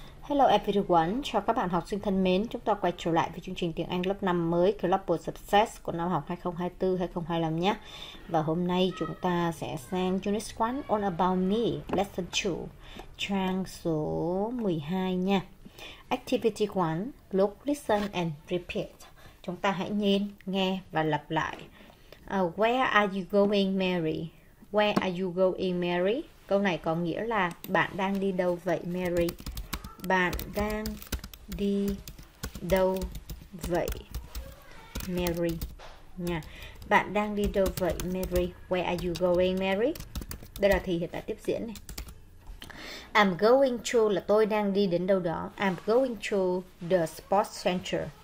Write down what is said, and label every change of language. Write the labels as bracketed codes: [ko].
[en] Hello everyone, [vi] chào các bạn học sinh thân mến. Chúng ta quay trở lại với chương trình tiếng Anh lớp 5 mới Global Success của năm học 2024-2025 nhé. Và hôm nay chúng ta sẽ sang Unit 1 All About Me, Lesson 2, trang số 12 nha. Activity 1, [en] Look, Listen and Repeat. [vi] Chúng ta hãy nghe và lặp lại. [en] Where are you going, Mary? Where are you going, Mary? [vi] Câu này có nghĩa là bạn đang đi đâu vậy, Mary? Bạn đang đi đâu vậy, Mary? Nha. Bạn đang đi đâu vậy, Mary? [en] Where are you going, Mary? [vi] Đây là thì hiện tại tiếp diễn này. [en] I'm going to [vi] là tôi đang đi đến đâu đó. [en] I'm going to the sports center.